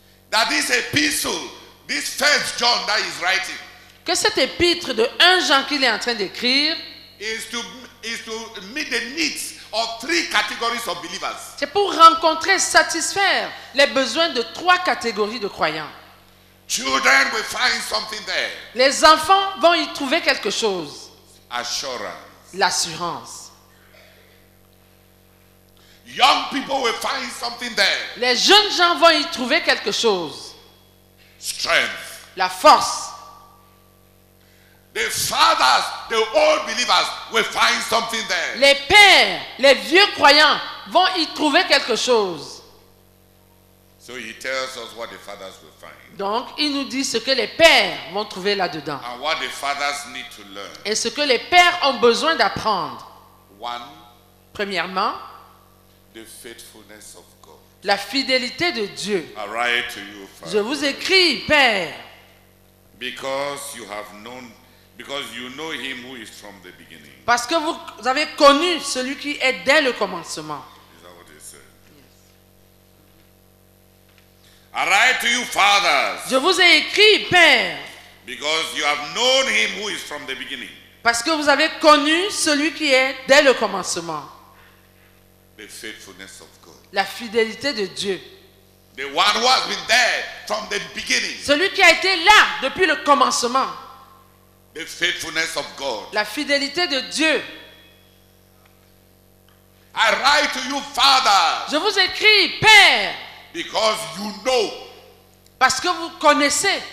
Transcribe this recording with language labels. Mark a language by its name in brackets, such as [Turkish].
[English] that this epistle, this first John that he's writing, [French] que cet épître de 1 Jean qu'il est en train d'écrire [English] is to meet the needs of three categories of believers. [French] C'est pour rencontrer, satisfaire les besoins de trois catégories de croyants. [English] Children will find something there. [French] Les enfants vont y trouver quelque chose. [English] Assurance. [French] L'assurance. [English] Young people will find something there. [French] Les jeunes gens vont y trouver quelque chose. [English] Strength. [French] La force. [English] The fathers, the old believers, will find something there. [French] Les pères, les vieux croyants, vont y trouver quelque chose. [English] So he tells us what the fathers will find. [French] Donc, il nous dit ce que les pères vont trouver là-dedans. [English] And what the fathers need to learn. [French] Et ce que les pères ont besoin d'apprendre. [English] One. [French] Premièrement. [English] The faithfulness of God. [French] La fidélité de Dieu. [English] I write to you, Father. [French] Je vous écris, Père. [English] Because you have known. Because you know him who is from the beginning. [French] Parce que vous avez connu celui qui est dès le commencement. [English] Is that what he said? Yes. I write to you, fathers. [French] Je vous ai écrit, père. [English] Because you have known him who is from the beginning. [French] Parce que vous avez connu celui qui est dès le commencement. [English] The faithfulness of God. [French] La fidélité de Dieu. [English] The one who has been there from the beginning. [French] Celui qui a été là depuis le commencement. [English] The faithfulness of God. [French] La fidélité de Dieu. [English] I write to you, Father. [French] Je vous écris, Père. [English] Because you know. [French] Parce que vous connaissez.